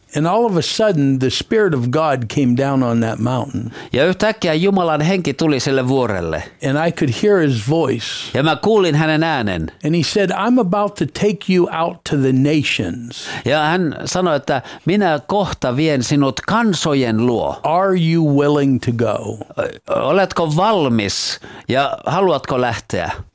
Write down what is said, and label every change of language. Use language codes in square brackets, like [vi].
[en] And all of a sudden the spirit of God came down on that mountain. [fi] Ja yhtäkkiä Jumalan henki tuli sille vuorelle. [en] And I could hear his voice. [fi] Ja mä kuulin hänen äänen. [en] And he said, "I'm about to take you out to the nations." [fi] Ja hän sanoi, että minä kohta vien sinut kansojen luo. [en] Are you willing to go? [fi] Oletko valmis ja haluatko lähteä?